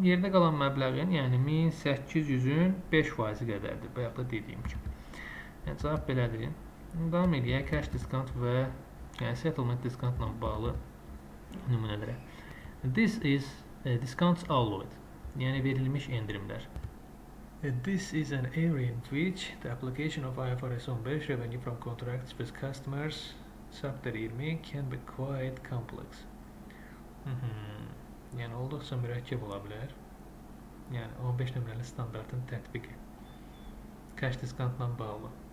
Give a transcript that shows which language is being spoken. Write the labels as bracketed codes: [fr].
[az] Yerdə qalan məbləğin, yəni 1800-ün 5% qədərdir. Bayaq da dediyim kimi. Yəni cavab belədir. Davam edək cash discount və yəni settlement discount ilə bağlı nümunələrə. [en] This is discounts alloyed. [az] Yəni verilmiş endirimlər. [en] This is an area in which the application of IFRS 15 revenue from contracts with customers Chapter 20 can be quite complex. [az] Yəni olduqca mürəkkəb ola bilər. Yəni 15 nömrəli standartın tətbiqi. Cash discount ilə bağlı.